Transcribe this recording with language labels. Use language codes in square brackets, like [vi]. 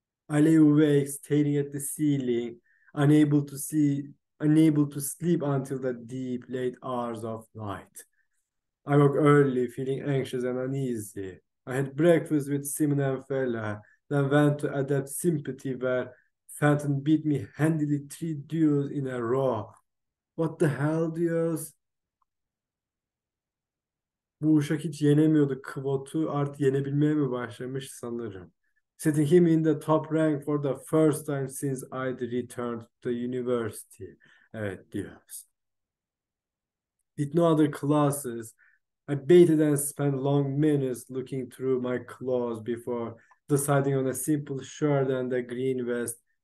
[en] I lay awake, staring at the ceiling, unable to sleep until the deep, late hours of night. I woke early, feeling anxious and uneasy. I had breakfast with Simon and Fella, then went to Adept Sympathy where Fenton beat me handily three duels in a row. What the hell [tr] diyoruz? Bu uşak hiç yenemiyordu Kvot'u, artık yenebilmeye mi başlamış sanırım. [en] Setting him in the top rank for the first time since I'd returned to university. [tr] Evet diyoruz. [en] With no other classes, I baited and spent long minutes looking through my clothes before deciding on a simple shirt and a green vest.